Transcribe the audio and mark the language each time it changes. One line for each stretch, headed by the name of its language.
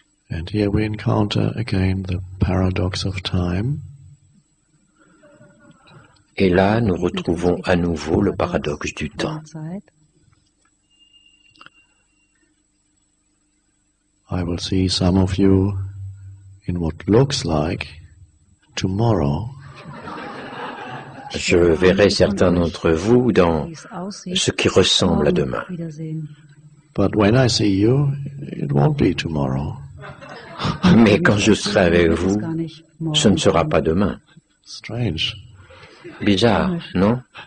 English: And here we encounter again the paradox of time.
French: Et là, nous retrouvons à nouveau le paradoxe du temps.
English: I will see some of you in what looks like tomorrow.
French: Je verrai certains d'entre vous dans ce qui ressemble à demain.
English: But when I see you, it won't be tomorrow.
French: Mais quand je serai avec vous, ce ne sera pas demain.
English: Strange.
French: Bizarre, non?